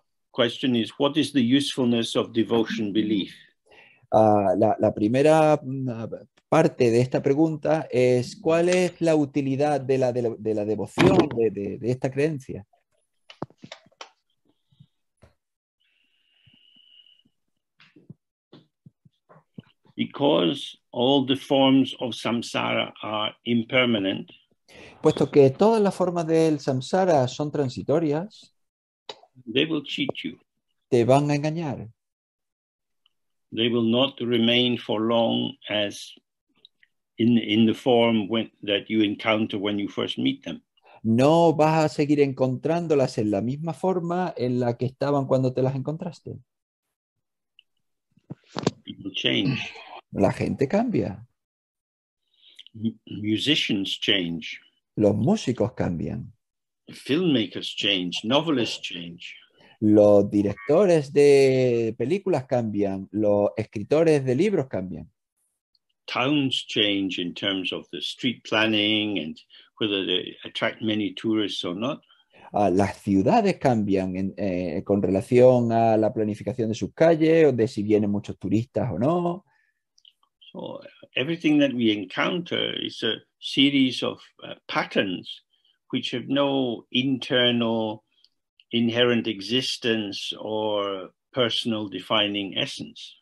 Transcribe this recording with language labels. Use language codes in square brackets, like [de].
[en] Question is, what is the usefulness of devotion belief? [es] La primera parte de esta pregunta es, ¿cuál es la utilidad de la devoción de esta creencia? [en] Because all the forms of samsara are impermanent. [es] Puesto que todas las formas del samsara son transitorias. [en] They will cheat you. [es] Te van a engañar. [en] They will not remain for long as in the form that you encounter when you first meet them. [es] No vas a seguir encontrándolas en la misma forma en la que estaban cuando te las encontraste. [en] People change. [es] La gente cambia. [en] Musicians change. [es] Los músicos cambian. [en] Filmmakers change. Novelists change. [es] Los directores de películas cambian. Los escritores de libros cambian. [en] Towns change in terms of the street planning and whether they attract many tourists or not. [es] Las ciudades cambian con relación a la planificación de sus calles o de si vienen muchos turistas o no. [en] So everything that we encounter is a series of patterns which have no internal inherent existence or personal defining essence.